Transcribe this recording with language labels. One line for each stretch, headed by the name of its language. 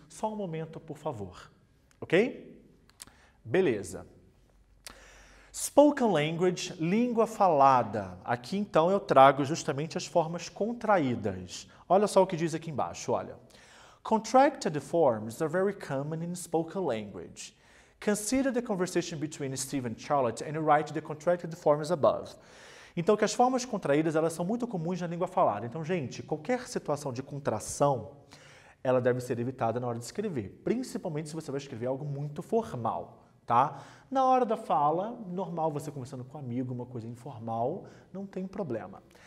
Portuguese: Só um momento, por favor. Ok? Beleza.
English: Spoken language,
Portuguese: língua falada. Aqui então eu trago justamente as formas contraídas. Olha só o que diz aqui embaixo, olha.
English: Contracted forms are very common in spoken language. Consider the conversation between Steve and Charlotte and write the contracted forms above.
Portuguese: Então, que as formas contraídas, elas são muito comuns na língua falada. Então, gente, qualquer situação de contração, ela deve ser evitada na hora de escrever. Principalmente se você vai escrever algo muito formal, tá? Na hora da fala, normal você conversando com um amigo, uma coisa informal, não tem problema.